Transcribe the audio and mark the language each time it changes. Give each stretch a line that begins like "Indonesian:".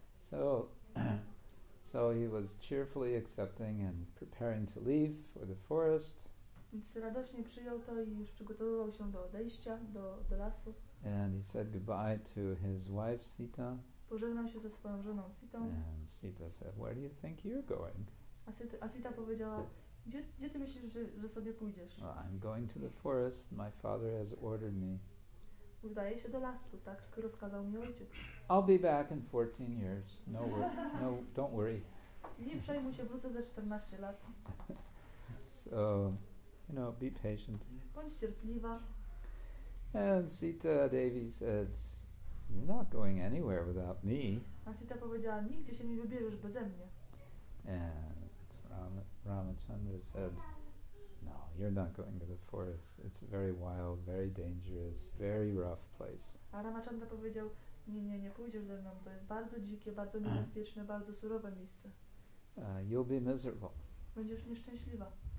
English: So he was cheerfully accepting and preparing to leave for the forest.
Polish: Więc radośnie przyjął to i już przygotowywał się do odejścia, do lasu.
English: And he said goodbye to his wife Sita.
Polish: Pożegnał się ze swoją żoną Sitą.
English: And Sita said, "Where do you think you're going?"
Polish: A Sita powiedziała, gdzie ty myślisz, że sobie pójdziesz?
English: Well, I'm going to the forest. My father has ordered me.
Polish: Udaje się do lasu, tak rozkazał mi ojciec.
English: I'll be back in 14 years. No, don't worry.
Polish: Nie przejmuj się, wrócę za 14 lat.
English: So, you know, be patient.
Polish: Bądź cierpliwa.
English: And Sita Devi said, "You're not going anywhere without me."
Polish: A Sita powiedziała, nigdzie się nie wybierzesz beze mnie.
English: And Ramachandra said, "No, you're not going to the forest. It's very wild, very dangerous, very rough place."
Polish: A Ramachandra powiedział, nie pójdziesz ze mną. To jest bardzo dzikie, bardzo niebezpieczne, bardzo surowe miejsce.
English: You'll be miserable.
Polish: Będziesz nieszczęśliwa.